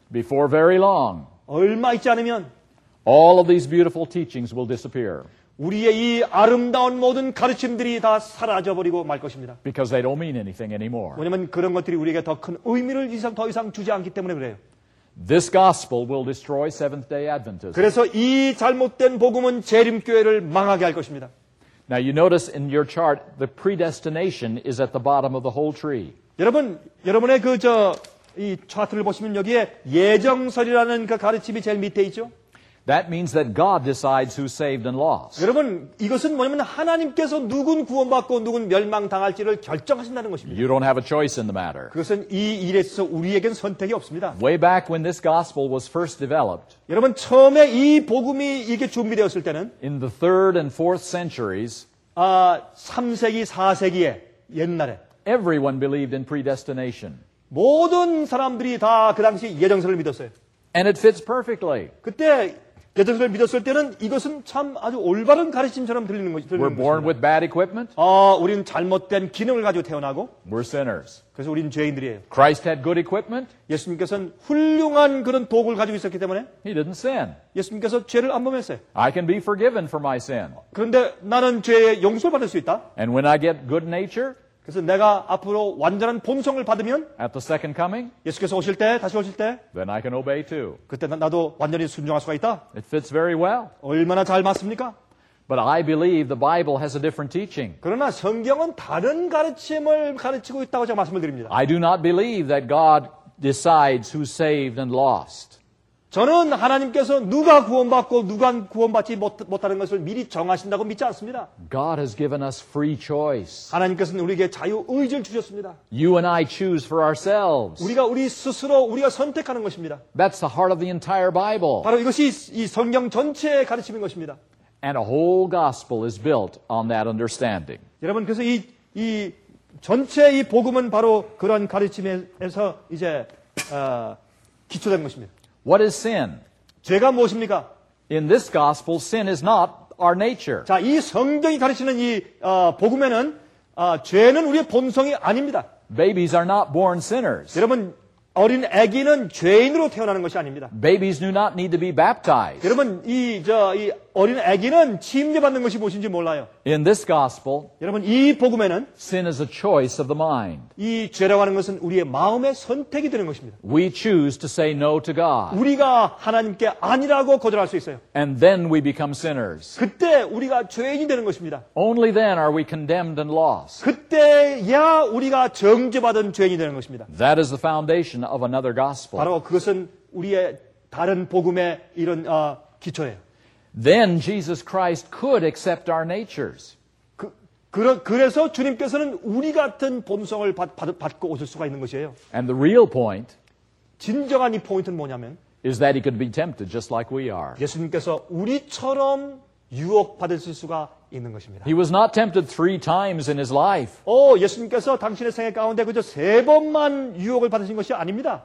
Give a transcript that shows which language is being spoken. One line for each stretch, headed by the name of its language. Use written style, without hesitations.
English: Before very long,
Korean: 얼마 있지 않으면,
English: all of these beautiful teachings will disappear.
Korean: 우리의 이 아름다운 모든 가르침들이 다 사라져버리고 말 것입니다.
English: Because they don't mean anything anymore.
Korean: 왜냐하면 그런 것들이 우리에게 더 큰 의미를 더 이상 주지 않기 때문에 그래요.
English: This gospel will destroy Seventh-day Adventism.
Korean: 그래서 이 잘못된 복음은 재림교회를 망하게 할 것입니다.
English: Now you notice in your chart the predestination is at the bottom of the whole tree.
Korean: 여러분, 여러분의 그 저 이 차트를 보시면 여기에 예정설이라는 그 가르침이 제일 밑에 있죠.
English: That means that God decides who's saved and lost.
Korean: 여러분, 이것은 뭐냐면 하나님께서 누군 구원받고 누군 멸망당할지를 결정하신다는 것입니다.
English: You don't have a choice in the matter.
Korean: 그것은 이 일에서 우리에겐 선택이 없습니다.
English: Way back when this gospel was first developed.
Korean: 여러분, 처음에 이 복음이 이게 준비되었을 때는
English: in the 3rd and 4th centuries.
Korean: 아, 3세기, 4세기에 옛날에
English: everyone believed in predestination.
Korean: 모든 사람들이 다 그 당시 예정설을 믿었어요.
English: And it fits perfectly.
Korean: 그때 예정설을 믿었을 때는 이것은 참 아주 올바른 가르침처럼 들리는 거죠.
English: We're born with bad equipment.
Korean: 아, 우리는 잘못된 기능을 가지고 태어나고.
English: We're sinners.
Korean: 그래서 우리는 죄인들이에요.
English: Christ had good equipment.
Korean: 예수님께서는 훌륭한 그런 도구를 가지고 있었기 때문에.
English: He didn't sin.
Korean: 예수님께서 죄를 안 범했어요.
English: I can be forgiven for my sin.
Korean: 그런데 나는 죄의 용서를 받을 수 있다.
English: And when I get good nature.
Korean: 그래서 내가 앞으로 완전한 본성을 받으면
English: At the second coming,
Korean: 예수께서 오실 때, 다시 오실 때
English: then I can obey too.
Korean: 그때 나도 완전히 순종할 수가 있다.
English: It fits very well.
Korean: 얼마나 잘 맞습니까?
English: But I believe the Bible has a different teaching.
Korean: 그러나 성경은 다른 가르침을 가르치고 있다고 제가 말씀을 드립니다.
English: I do not believe that God decides who's saved and lost.
Korean: 저는 하나님께서 누가 구원받고 누가 구원받지 못하는 것을 미리 정하신다고 믿지 않습니다.
English: God has given us free choice.
Korean: 하나님께서는 우리에게 자유 의지를 주셨습니다.
English: You and I choose for ourselves.
Korean: 우리가 우리 스스로 우리가 선택하는 것입니다.
English: That's the heart of the entire Bible.
Korean: 바로 이것이 이 성경 전체의 가르침인 것입니다.
English: And a whole gospel is built on that understanding.
Korean: 여러분 그래서 이 전체 이 복음은 바로 그런 가르침에서 이제 기초된 것입니다.
English: What is sin?
Korean: 죄가 무엇입니까?
English: In this gospel, sin is not our nature.
Korean: 자, 이 성경이 가르치는 이 복음에는 죄는 우리의 본성이 아닙니다.
English: Babies are not born sinners.
Korean: 여러분, 어린 아기는 죄인으로 태어나는 것이 아닙니다.
English: Babies do not need to be baptized.
Korean: 여러분, 이 어린 아기는 침례받는 것이 무엇인지 몰라요.
English: In this gospel,
Korean: 여러분, 이 복음에는
English: sin is a choice of the mind.
Korean: 이 죄라고 하는 것은 우리의 마음의 선택이 되는 것입니다.
English: We choose to say no to God.
Korean: 우리가 하나님께 아니라고 거절할 수 있어요.
English: And then we become sinners.
Korean: 그때 우리가 죄인이 되는 것입니다.
English: Only then are we condemned and lost.
Korean: 그때야 우리가 정죄받은 죄인이 되는 것입니다.
English: That is the foundation of another gospel.
Korean: 바로 그것은 우리의 다른 복음의 이런 기초예요.
English: Then Jesus Christ could accept our natures.
Korean: 그래서 주님께서는 우리 같은 본성을 받고 오실 수가 있는 것이에요.
English: And the real point
Korean: 진정한 이 포인트는 뭐냐면
English: is that he could be tempted just like we are.
Korean: 예수님께서 우리처럼 유혹받을 수가 있는 것입니다.
English: He was not tempted three times in his life.
Korean: 오, 예수님께서 당신의 생애 가운데 그저 세 번만 유혹을 받으신 것이 아닙니다.